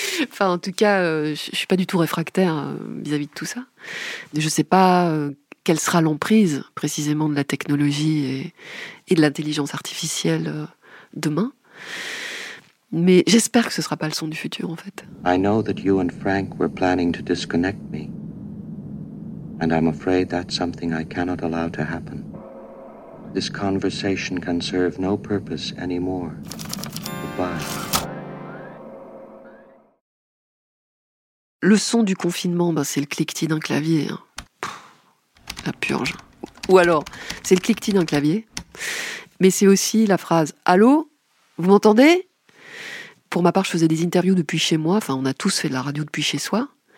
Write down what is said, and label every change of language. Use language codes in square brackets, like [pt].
[fr] Enfin, en tout cas, je ne suis pas du tout réfractaire vis-à-vis de tout ça. Je ne sais pas quelle sera l'emprise précisément de la technologie et de l'intelligence artificielle demain. Mais j'espère que ce ne sera pas le son du futur, en fait. [en] I know that you and Frank were planning to disconnect me. And I'm afraid that's something I cannot allow to happen. This conversation can serve no purpose anymore. Goodbye. [fr] Le son du confinement, ben c'est le cliquetis d'un clavier. Hein. Pff, la purge. Ou alors, c'est le cliquetis d'un clavier. Mais c'est aussi la phrase « Allô, vous m'entendez ?» Pour ma part, je faisais des interviews depuis chez moi. Enfin, on a tous fait de la radio depuis chez soi.